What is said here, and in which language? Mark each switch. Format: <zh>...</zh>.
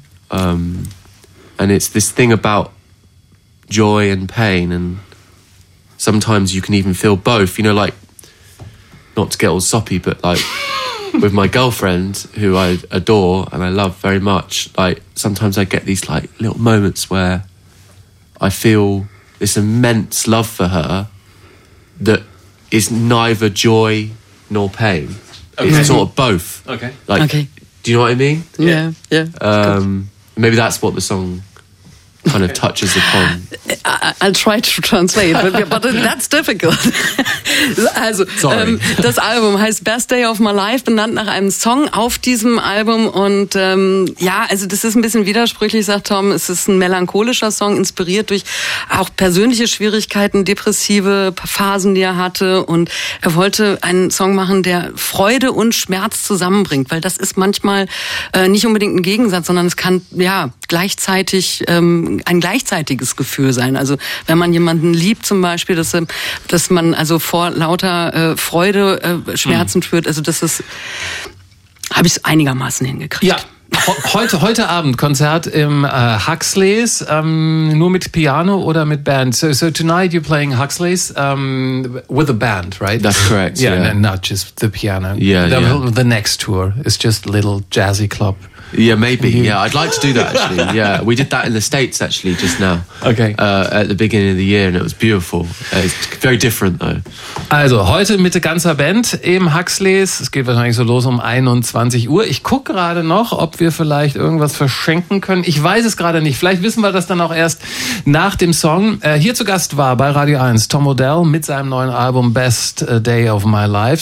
<en>And it's this thing about joy and pain, and sometimes you can even feel both, you know, like, not to get all soppy, but like with my girlfriend, who I adore and I love very much, like, sometimes I get these, like, little moments where I feel this immense love for her that is neither joy nor pain. Okay. It's sort of both. Okay. Like, okay. Do you know what I mean? Yeah. Maybe that's what the song kind of touches upon. I'll try to translate, but that's difficult.</en> <de>Also, das Album heißt Best Day of My Life, benannt nach einem Song auf diesem Album. Und das ist ein bisschen widersprüchlich, sagt Tom. Es ist ein melancholischer Song, inspiriert durch auch persönliche Schwierigkeiten, depressive Phasen, die er hatte. Und er wollte einen Song machen, der Freude und Schmerz zusammenbringt, weil das ist manchmal nicht unbedingt ein Gegensatz, sondern es kann gleichzeitig ein gleichzeitiges Gefühl sein. Also wenn man jemanden liebt zum Beispiel, dass man also vor lauter Freude Schmerzen spürt, also das ist, habe ich es einigermaßen hingekriegt. Ja, heute Abend Konzert im Huxley's, nur mit Piano oder mit Band?</de> <en>So tonight you're playing Huxley's with a band, right? That's correct, yeah. And not just the piano. The next tour is just little jazzy club. Yeah, maybe. Mm-hmm. Yeah, I'd like to do that, actually. Yeah, we did that in the States, actually, just now. Okay. At the beginning of the year, and it was beautiful. It's very different, though.</en> <de>Also, heute mit der ganzen Band im Huxley's. Es geht wahrscheinlich so los um 21 Uhr. Ich gucke gerade noch, ob wir vielleicht irgendwas verschenken können. Ich weiß es gerade nicht. Vielleicht wissen wir das dann auch erst nach dem Song. Hier zu Gast war bei Radio 1 Tom O'Dell mit seinem neuen Album Best Day of My Life.</de>